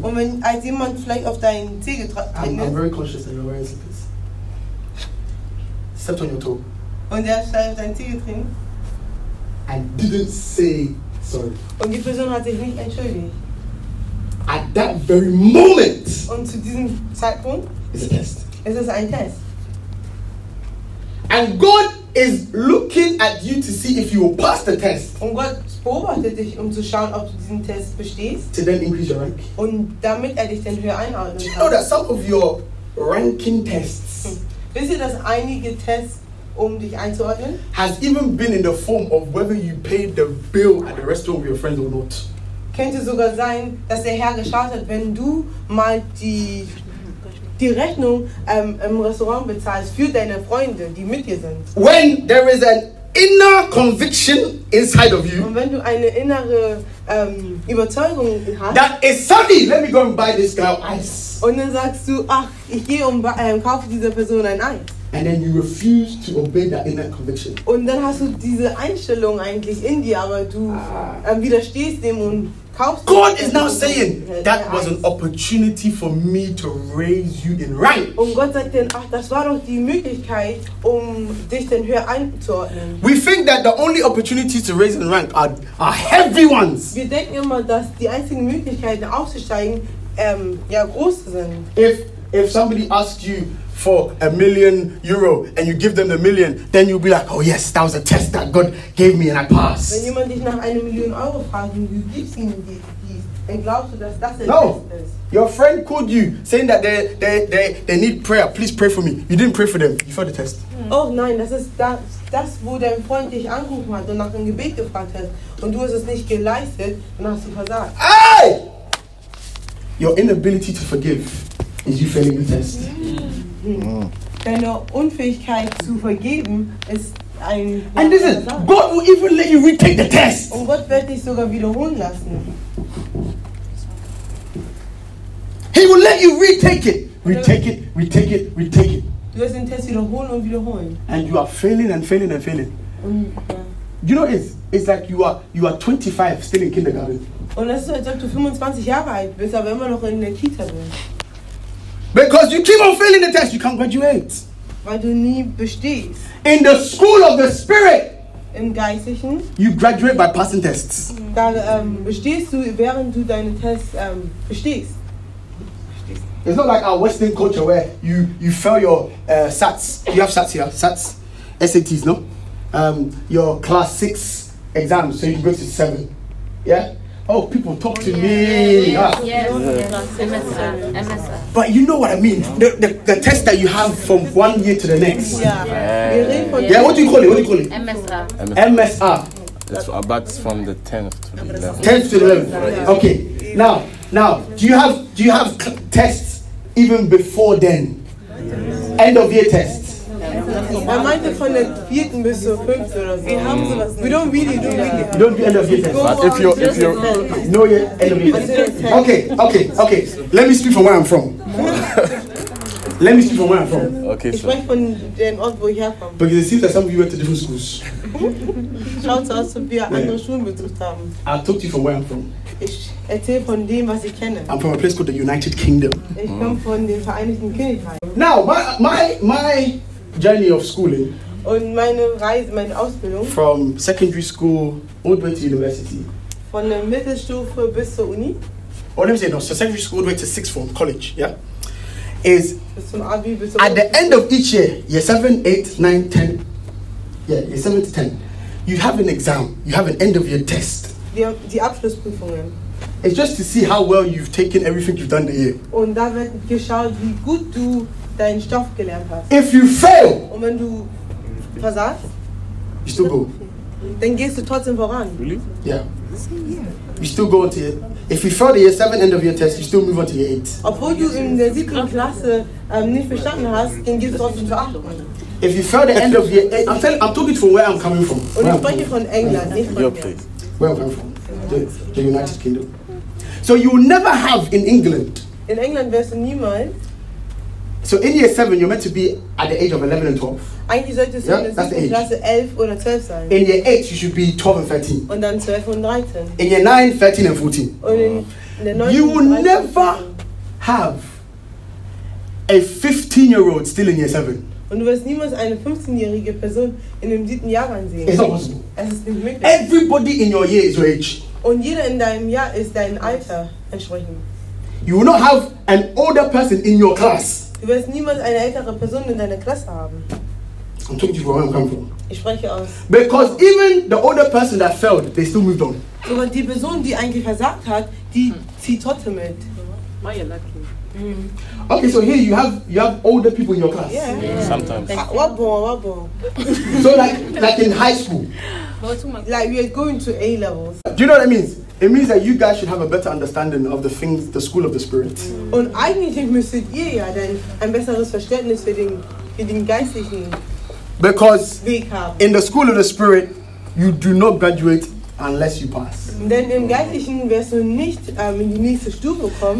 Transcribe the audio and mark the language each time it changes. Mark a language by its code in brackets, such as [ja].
[de] Und wenn als jemand vielleicht auf deinen Zeh getreten ist. [en] I'm very conscious that you're wearing slippers. Stepped on your toe. [de] Und der hat vielleicht auf deinen Zeh getreten. [en] And didn't say sorry. [de] Und die Person hat sich nicht entschuldigt. [en] At that very moment. [de] Und zu diesem Zeitpunkt. [en] It's a test. [de] Es ist ein Test. [en] And God is looking at you to see if you will pass the test. [de] Und Gott beobachtet dich, um zu schauen, ob du diesen Test bestehst. [en] To then increase your rank. [de] Und damit er dich dann höher einordnen kann. [en] Do you know that some of your ranking tests. [de] Wisst ihr, dass einige Tests, um dich einzuordnen, [en] has even been in the form of whether you paid the bill at the restaurant with your friends or not. [de] Könnte sogar sein, dass der Herr geschaut hat, wenn du mal die Rechnung im Restaurant bezahlst für deine Freunde, die mit dir sind. [en] When there is an inner conviction inside of you. [de] Und wenn du eine innere Überzeugung hast. [en] That is sunny. Let me go and buy this girl ice. [de] Und dann sagst du, ach, ich gehe und kaufe dieser Person ein Eis. [en] And then you refuse to obey that inner conviction. [de] Und dann hast du diese Einstellung eigentlich in dir, aber du widerstehst dem und kaufst. [en] God is now saying that was an opportunity for me to raise you in rank. [de] Und Gott sagt dann, ach, das war doch die Möglichkeit, um dich denn höher einzuordnen. [en] We think that the only opportunities to raise in rank are heavy ones. [de] Wir denken immer, dass die einzigen Möglichkeiten aufzusteigen groß sind. [en] If somebody asks you for €1 million and you give them the million, then you'll be like, oh yes, that was a test that God gave me and I passed. [de] Wenn jemand dich nach 1 Million Euro fragt, du gibst ihm die [en] That's no, your friend called you saying that they need prayer. Please pray for me. You didn't pray for them. You failed the test. [de] Oh nein, das wurde ein Freund dich angerufen hat und nach einem Gebet gefragt hat und du hast es nicht geleistet, dann hast du versagt. [en] Hey! Your inability to forgive is you failing the test. [de] Deine Unfähigkeit zu vergeben ist ein. [en] And listen, God will even let you retake the test. [de] Und Gott wird dich sogar wiederholen lassen. [en] He will let you retake it. Retake it, retake it, retake it. [de] Du hast den Test wiederholen und wiederholen. [en] And you are failing and failing and failing. [de] Ja. [en] You know, it's like you are 25 still in kindergarten. [de] Und das ist so, als ob du 25 Jahre alt bist, aber immer noch in der Kita bist. [en] Because you keep on failing the test, you can't graduate. [de] Weil du nie bestehst. [en] In the school of the spirit. [de] Im Geistlichen. [en] You graduate by passing tests. [de] Da bestehst du, während du deine Tests bestehst. [en] It's not like our Western culture where you fail your SATs. You have SATs here, SATs, SATs, no? Your class 6 exams, so you can go to 7. Yeah? Oh, people talk to me. Yes. But you know what I mean? The test that you have from 1 year to the next. Yeah. What do you call it? What do you call it? MSR. That's about from the 10th to the 11th. 10th to the 11th. Okay. Now, do you have tests even before then? Yes. End of year tests. I meant from the 4th to the 5th or something. We don't really do it. You don't do end of year tests. But if you're no year end of year tests. Okay. Let me speak from where I'm from. Okay, so. It's from the north where you're from. Because it seems that some of you went to different schools. [de] Schaut so aus, ob wir andere Schulen besucht haben. [en] I'll talk to you from where I'm from. [de] Ich erzähle von dem, was ich kenne. [en] I'm from a place called the United Kingdom. [de] Ich komme von dem Vereinigten Königreich. [en] Now, my journey of schooling. [de] Und meine Reise, meine Ausbildung. [en] From secondary school all the way to university. [de] Von der Mittelstufe bis zur Uni. [en] Oh, let me say no. So secondary school all the way to sixth form, college, yeah? Is [de] Abi, [en] at the end of each year, year 7, 8, 9, 10, yeah, year 7 to 10, you have an exam, you have an end of year test. [de] Die Abschlussprüfungen. [en] It's just to see how well you've taken everything you've done the year. [de] Und da wird geschaut, wie gut du deinen Stoff gelernt hast. [en] If you fail, [de] und wenn du versagst, [en] you still go. [de] Dann gehst du trotzdem voran. [en] Really? Yeah. You still go on to year. If you fail the year 7 end of year test, you still move on to year 8. [de] Obwohl du in der 7. Klasse nicht verstanden hast, dann gehst du trotzdem zur 8. [en] If you fail the end of year 8, I'm talking from where I'm coming from. [de] Und ich spreche von England, nicht von [en] Europe. Where I'm coming from? The United Kingdom. So you will never have in England. [de] In England wirst du niemals. [en] So in year 7, you're meant to be at the age of 11 and 12. [de] Eigentlich solltest du in der 7. Klasse 11 oder 12 sein. [en] In year 8, you should be 12 and 13. [de] Und dann 12 und 13. [en] In year 9, 13 and 14. [de] Und in der 9. [en] You will never have a 15-year-old still in year 7. [de] Und du wirst niemals eine 15-jährige Person in dem 7. Jahr ansehen. [en] It's not possible. [de] Es ist nicht möglich. [en] Everybody in your year is your age. [de] Und jeder in deinem Jahr ist dein Alter entsprechend. [en] You will not have an older person in your class. [de] Du wirst niemals eine ältere Person in deiner Klasse haben. [en] I'm talking to you from where I'm coming from. [de] Ich spreche aus. [en] Because even the older person that failed, they still moved on. So, but [de] die Person, die eigentlich versagt hat, die zieht trotzdem mit. [en] My lucky. Okay, so here you have older people in your class. Yeah. Sometimes. What bon? So like in high school. Like we are going to A levels. Do you know what it means? It means that you guys should have a better understanding of the things, the school of the spirit. [de] Und eigentlich müsstet ihr ja dann ein besseres Verständnis für den geistlichen. [en] Because in the school of the spirit, you do not graduate unless you pass. [de] Denn im Geistlichen wirst du nicht in die nächste Stufe kommen.